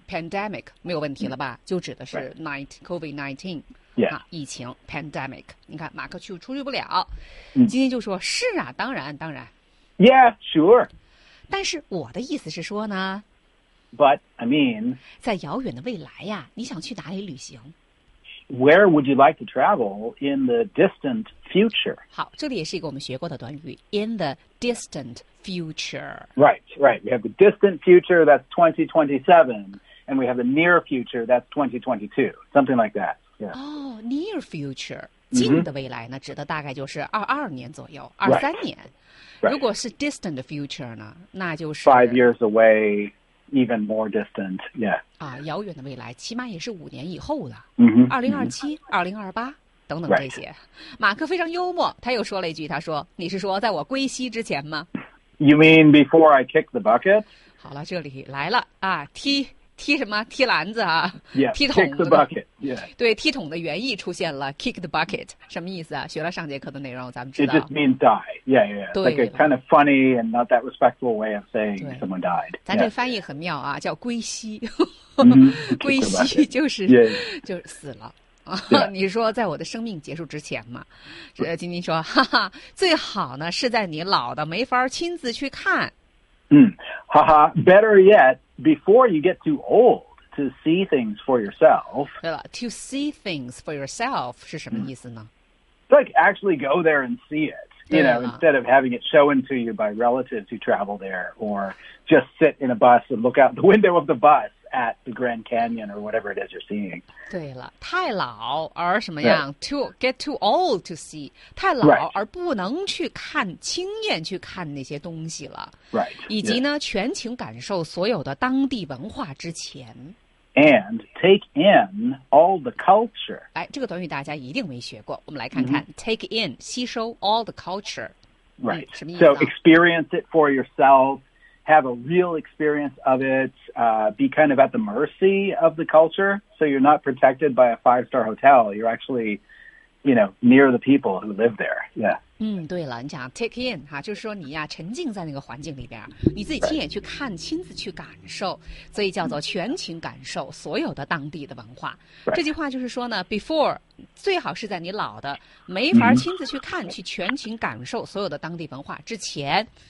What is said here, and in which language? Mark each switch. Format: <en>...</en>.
<zh>Pandemic 没有问题了吧？就指的是 COVID-19、</zh> <en>yeah.</en> <zh>啊，疫情 pandemic。你看，马克去出去不了， 今天就说是啊，当然。</zh> <en>Yeah, sure。</en> <zh>但是我的意思是说呢。</zh> <en>But I mean,</en> <zh>在遥远的未来呀，你想去哪里旅行</zh> <en>？Where would you like to travel in the distant future?</en> <zh>好，这里也是一个我们学过的短语 ，</zh> <en>in the distant future. Right, right. We have the distant future, that's 2027, and we have the near future, that's 2022, something like that. Yeah. Oh, near future.</en> <zh>近的未来呢，指的大概就是2022年左右，2023年。</zh> <en>Right.</en> <zh>如果是 distant future 呢，那就是</zh> <en>5 years away. Even more distant, yeah.</en> <zh>遥远的未来，起码也是5年以后了。 2027、 2028等等这些。</zh> <en>Right.</en> <zh>马克非常幽默，他又说了一句：“他说，你是说在我归西之前吗</zh> <en>？”You mean before I kick the bucket?</en> <zh>好了，这里来了啊，踢什么？踢篮子啊？</zh> <en>Yeah,</en> <zh>踢桶子</zh> <en>kick the bucket, yeah.</en> <zh>对，踢桶的原意出现了 ，</zh> <en>kick the bucket</en> <zh>什么意思啊？学了上节课的内容，咱们知道。</zh> <en>It just means die. Yeah.</en> <zh>对。</zh> <en>Like a kind of funny and not that respectful way of saying someone died.</en> <zh>咱这翻译很妙啊，叫归西。归西就是、就是死了。你说在我的生命结束之前嘛？晶晶说，哈哈，最好呢是在你老的没法亲自去看。</zh> <en>哈哈 ，better yet。 Before you get too old to see things for yourself.</en> <zh>对了 ，</zh> <en>to see things for yourself</en> <zh>是什么意思呢</zh> <en>？Like actually go there and see it, you know, instead of having it shown to you by relatives who travel there, or just sit in a bus and look out the window of the bus at the Grand Canyon or whatever it is you're seeing.</en> <zh>对了，太老而什么样</zh> <en>？To get too old to see.</en> <zh>太老而不能去看，亲眼去看那些东西了。</zh> <en>Right.</en> <zh>以及呢，全情感受所有的当地文化之前</zh> <en>，and take in all the culture.</en> <zh>哎，这个短语大家一定没学过，我们来看看 take in 吸收</zh> <en>all the culture. Right.</en> <zh>什么意思</zh> <en>？So experience it for yourself, have a real experience of it, be kind of at the mercy of the culture. So you're not protected by a 5-star hotel. You're actually, you know, near the people who live there. Yeah.</en> <zh>对了，你讲 take in 哈，就是说你呀沉浸在那个环境里边，你自己亲眼去看，</zh> <en>right.</en> <zh>亲自去感受，所以叫做全情感受所有的当地的文化。</zh> <en>Right.</en> <zh>这句话就是说呢 ，before 最好是在你老的没法亲自去看， 去全情感受所有的当地文化之前，</zh>